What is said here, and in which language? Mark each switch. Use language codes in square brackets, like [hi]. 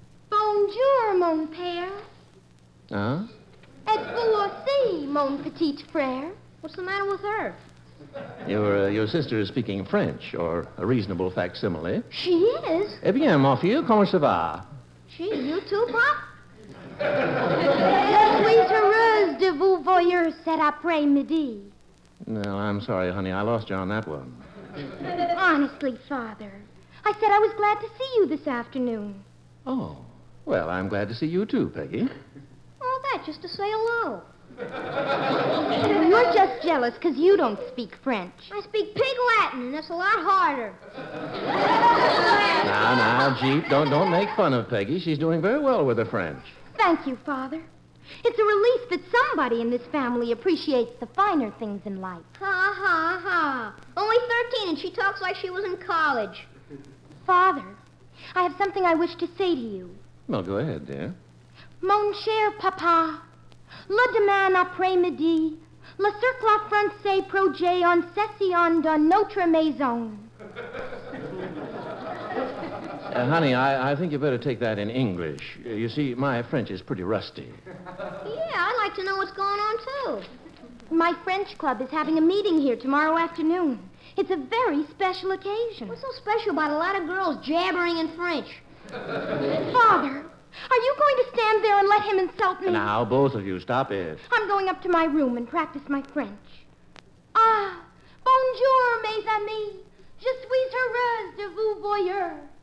[fr] Bonjour, mon père. Huh? Et vous aussi, mon petit frère. [en] What's the matter with her? Your sister is speaking French, or a reasonable facsimile. She is. [fr] Eh bien, ma fille, comment ça va? [en] Gee, you too, Pop? [fr] Je suis heureuse de vous voir cet après-midi. [en] No, I'm sorry, honey. I lost you on that one. Honestly, Father, I said I was glad to see you this afternoon. Oh, well, I'm glad to see you too, Peggy. All that just to say hello. You're just jealous because you don't speak French. I speak Pig Latin, and that's a lot harder. Now, Jeep, don't make fun of Peggy. She's doing very well with her French. Thank you, Father. It's a relief that somebody in this family appreciates the finer things in life. Ha, ha, ha. Only 13, and she talks like she was in college. Father, I have something I wish to say to you. Well, go ahead, dear. [fr] Mon cher papa, le demain après-midi, le cercle français projet en session de notre maison. [en] Honey, I think you better take that in English. You see, my French is pretty rusty. Yeah, I'd like to know what's going on, too. My French club is having a meeting here tomorrow afternoon. It's a very special occasion. What's so special about a lot of girls jabbering in French? Father, are you going to stand there and let him insult me? Now, both of you, stop it. I'm going up to my room and practice my French. [fr] Ah, bonjour, mes amis. Je suis heureuse de vous voir.